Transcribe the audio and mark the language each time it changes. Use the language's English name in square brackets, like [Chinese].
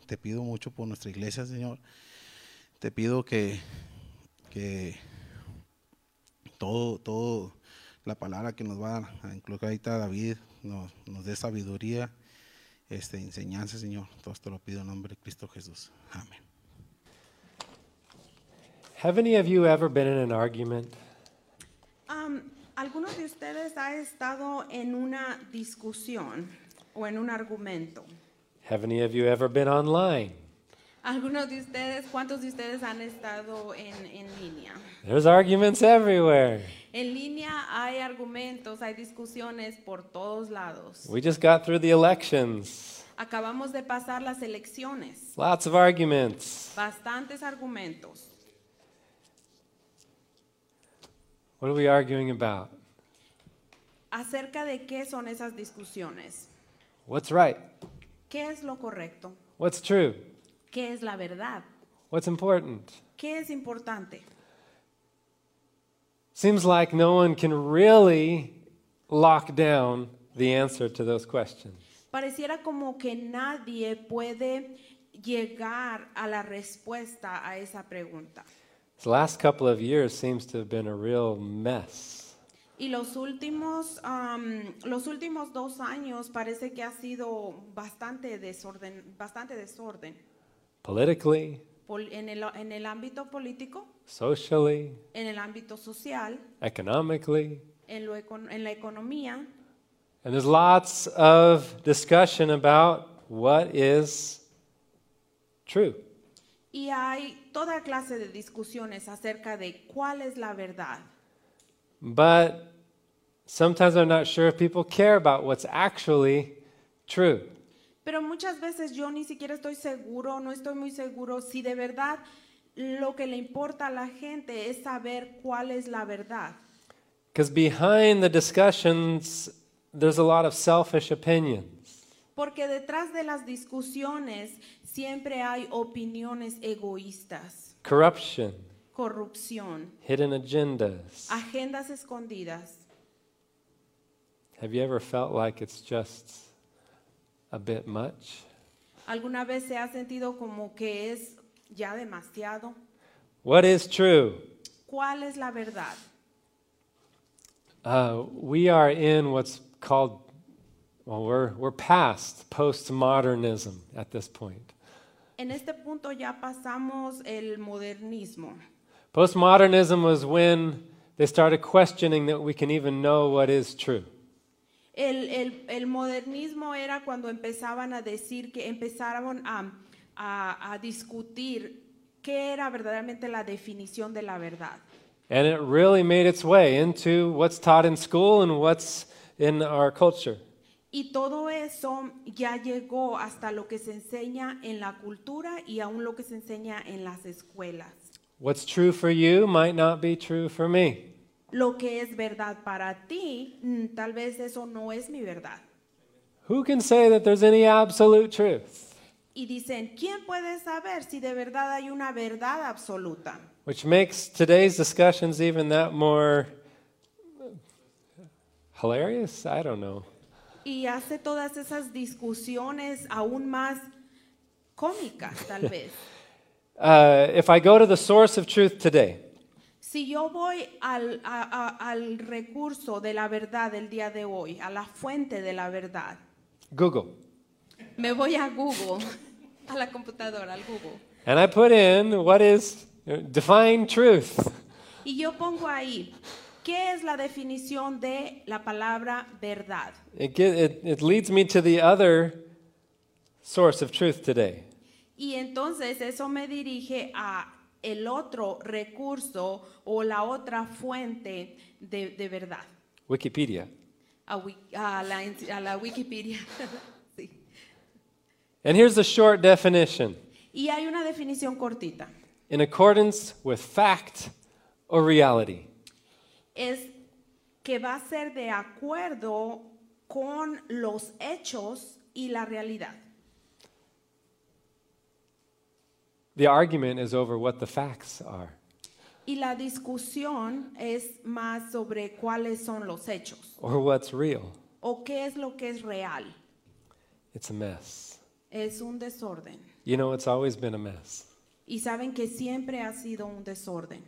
[Spanish] Te pido mucho por nuestra iglesia, Señor. Te pido que todo la palabra que nos va a incluir ahorita David nos dé sabiduría, enseñanza, Señor. Todo esto lo pido en nombre de Cristo Jesús. Amén. [English] Have any of you ever been in an argument? [Spanish] ¿Alguno de ustedes ha estado en una discusión o en un argumento? [English] Have any of you ever been online? [Spanish] ¿Alguno de ustedes, cuántos de ustedes han estado en línea? [English] There's arguments everywhere. [Spanish] En línea hay argumentos, hay discusiones por todos lados. [English] We just got through the elections. [Spanish] Acabamos de pasar las elecciones. [English] Lots of arguments. [Spanish] Bastantes argumentos. [English] What are we arguing about? [Spanish] ¿Acerca de qué son esas discusiones? [English] What's right? [Spanish] ¿Qué es lo correcto? [English] What's true? [Spanish] ¿Qué es la verdad? [English] What's important? [Spanish] ¿Qué es importante? [English] Seems like no one can really lock down the answer to those questions. [Spanish] Pareciera como que nadie puede llegar a la respuesta a esa pregunta. [English] The last couple of years seems to have been a real mess. [Spanish] Y los últimos 2 años parece que ha sido bastante desorden. [English] Politically, [Spanish] en el ámbito político, [English] socially, [Spanish] en el ámbito social, [English] economically, [Spanish] en la economía. [English] And there's lots of discussion about what is true. [Spanish] Y hay toda clase de discusiones acerca de cuál es la verdad. [English] But sometimes I'm not sure if people care about what's actually true. [Spanish] Pero muchas veces yo ni siquiera estoy seguro, no estoy muy seguro si de verdad lo que le importa a la gente es saber cuál es la verdad. [English] Because behind the discussions, there's a lot of selfish opinions. [Spanish] Porque detrás de las discusiones siempre hay opiniones egoístas. [English] Corruption. [Spanish] Corrupción. [English] Hidden agendas. [Spanish] Agendas escondidas. [English] Have you ever felt like it's just a bit much? [Spanish] ¿Alguna vez se ha sentido como que es ya demasiado? [English] What is true? [Spanish] ¿Cuál es la verdad? [English] We are in what's called, well, we're past postmodernism at this point. [Spanish] En este punto ya pasamos el modernismo. [English] Postmodernism was when they started questioning that we can even know what is true. [Spanish] El modernismo era cuando empezaban a decir que empezaron a discutir qué era verdaderamente la definición de la verdad. [English] And it really made its way into what's taught in school and what's in our culture. [Spanish] Y todo eso ya llegó hasta lo que se enseña en la cultura y aún lo que se enseña en las escuelas. [English] What's true for you might not be true for me. [Spanish] Lo que es verdad para ti, tal vez eso no es mi verdad. [English] Who can say that there's any absolute truth? [Spanish] Y dicen, ¿quién puede saber si de verdad hay una verdad absoluta? [English] Which makes today's discussions even that more hilarious, I don't know. [Spanish] Y hace todas esas discusiones aún más cómicas, tal vez. [English] If I go to the source of truth today, [Spanish] si yo voy al recurso de la verdad del día de hoy, a la fuente de la verdad. [English] Google. [Spanish] Me voy a Google, a la computadora, al Google. [English] And I put in, what is define truth? [Spanish] Y yo pongo ahí, ¿qué es la definición de la palabra verdad? [English] It leads me to the other source of truth today. [Spanish] Y entonces eso me dirige a el otro recurso o la otra fuente de verdad. [English] Wikipedia. [Spanish] A la Wikipedia. Sí. [English] And here's a short definition. [Spanish] Y hay una definición cortita. [English] In accordance with fact or reality. [Spanish] Es que va a ser de acuerdo con los hechos y la realidad. [English] The argument is over what the facts are. [Spanish] Y la discusión es más sobre cuáles son los hechos. [English] Or what's real. [Spanish] O qué es lo que es real. [English] It's a mess. [Spanish] Es un desorden. [English] You know, it's always been a mess. [Spanish] Y saben que siempre ha sido un desorden.